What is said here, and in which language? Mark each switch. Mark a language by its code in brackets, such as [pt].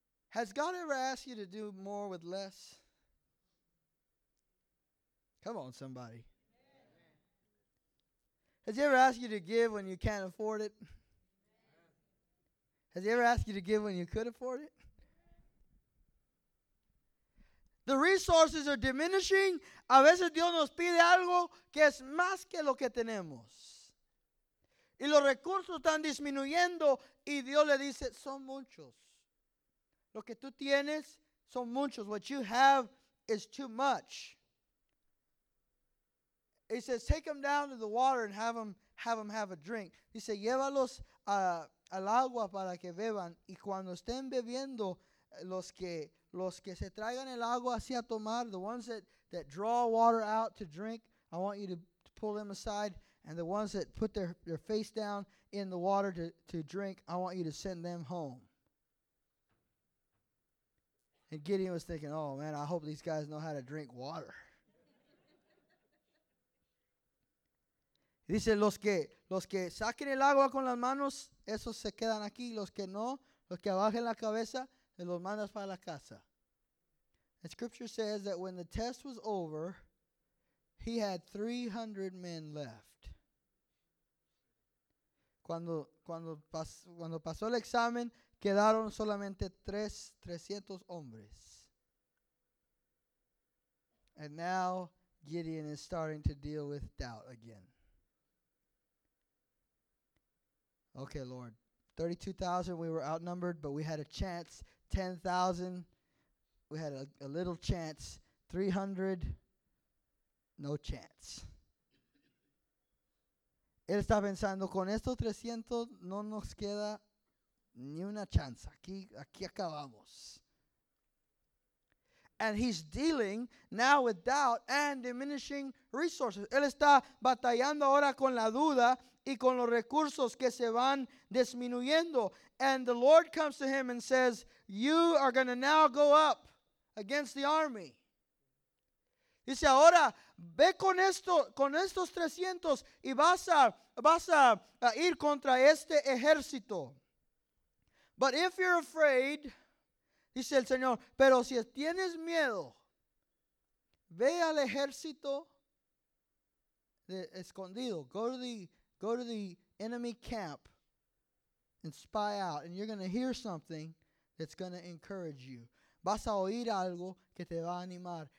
[en] Has God ever asked you to do more with less? Come on, somebody. Has he ever asked you to give when you can't afford it? Has he ever asked you to give when you could afford it? The resources are diminishing. [es] A veces Dios nos pide algo que es más que lo que tenemos. Y los recursos están disminuyendo y Dios le dice, son muchos. Lo que tú tienes son muchos. [en] What you have is too much. He says, take them down to the water and have them have a drink. [es] He said, llévalos al agua para que beban y cuando estén bebiendo los que se traigan el agua así a tomar, [en] the ones that draw water out to drink, I want you to pull them aside, and the ones that put their face down in the water to drink, I want you to send them home. And Gideon was thinking, oh man, I hope these guys know how to drink water. [es] Dice, los que saquen el agua con las manos, esos se quedan aquí. Los que no, los que bajen la cabeza, los mandas para la casa. [en] And scripture says that when the test was over, he had 300 men left. [es] Cuando pasó el examen, quedaron solamente 300 hombres. [en] And now Gideon is starting to deal with doubt again. Okay, Lord, 32,000, we were outnumbered, but we had a chance. 10,000, we had a little chance. 300, No chance. [es] Él está pensando, con estos 300 no nos queda ni una chance. Aquí acabamos. [en] And he's dealing now with doubt and diminishing resources. [es] Él está batallando ahora con la duda y con los recursos que se van disminuyendo. [en] And the Lord comes to him and says, you are going to now go up against the army. [es] Dice, ahora ve con esto, con estos 300 y vas a ir contra este ejército. [en] But if you're afraid, [es] dice el Señor, pero si tienes miedo, ve al ejército de escondido. [en] Go to the enemy camp and spy out, and you're going to hear something that's going to encourage you. [es] Vas a oír algo que te va a animar.